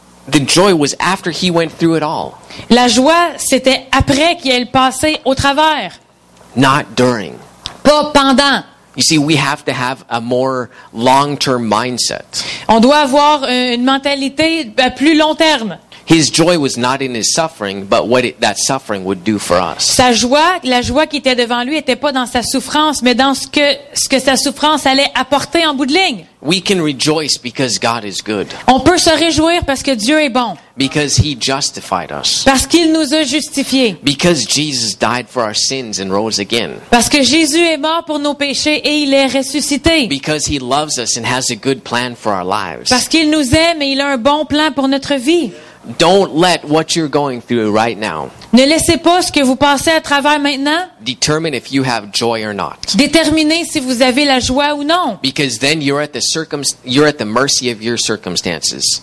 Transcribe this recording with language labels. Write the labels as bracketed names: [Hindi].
[English] The joy was after he went through it all. [French] La joie, c'était après qu'il ait passé au travers. [English] Not during. [French] Pas pendant. [English] You see, we have to have a more long-term mindset. [French] On doit avoir une mentalité à plus long terme. [English] His joy was not in his suffering, but what that suffering would do for us. [French] Sa joie, la joie qui était devant lui, était pas dans sa souffrance, mais dans ce que sa souffrance allait apporter en bout de ligne. [English] We can rejoice because God is good. [French] On peut se réjouir parce que Dieu est bon. [English] Because he justified us. [French] Parce qu'il nous a justifiés. [English] Because Jesus died for our sins and rose again. [French] Parce que Jésus est mort pour nos péchés et il est ressuscité. [English] Because he loves us and has a good plan for our lives. [French] Parce qu'il nous aime et il a un bon plan pour notre vie. [English] Don't let what you're going through right now. [French] Ne laissez pas ce que vous passez à travers maintenant. [English] Determine if you have joy or not. [French] Déterminez si vous avez la joie ou non. [English] Because then you're at the mercy of your circumstances.